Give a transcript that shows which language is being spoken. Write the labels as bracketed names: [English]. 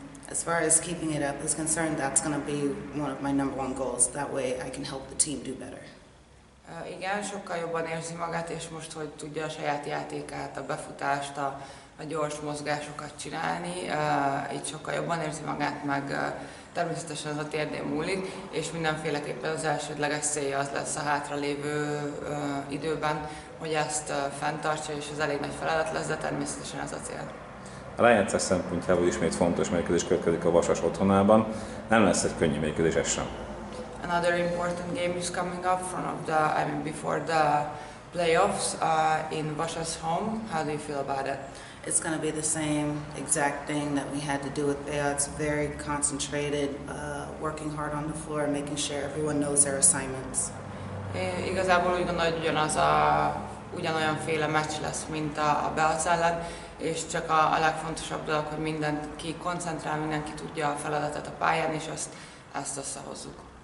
[English] As far as keeping it up is concerned, that's going to be one of my number one goals. That way I can help the team do better. [Hungarian] Igen, sokkal jobban érzi magát, és most, hogy tudja a saját játékát, a befutást, a gyors mozgásokat csinálni, így sokkal jobban érzi magát, meg természetesen az a térdén múlik, és mindenféleképpen az elsődleges célja az lesz a hátralévő időben, hogy ezt fenntartsa, és ez elég nagy feladat lesz, de természetesen ez a cél. A rájátszás szempontjából ismét fontos mérkőzés következik a Vasas otthonában, nem lesz egy könnyű mérkőzés sem. [English] Another important game is coming up before the playoffs in Vasas home. How do you feel about it? It's going to be the same exact thing that we had to do with Bajac. Very concentrated, working hard on the floor, making sure everyone knows their assignments. [Hungarian] Igazából úgy gondolom, hogy ugyanolyan féle meccs lesz, mint a Bajac ellen, és csak a legfontosabb dolog, hogy mindenki koncentrál, mindenki tudja a feladatát a pályán, és ezt összehozzuk.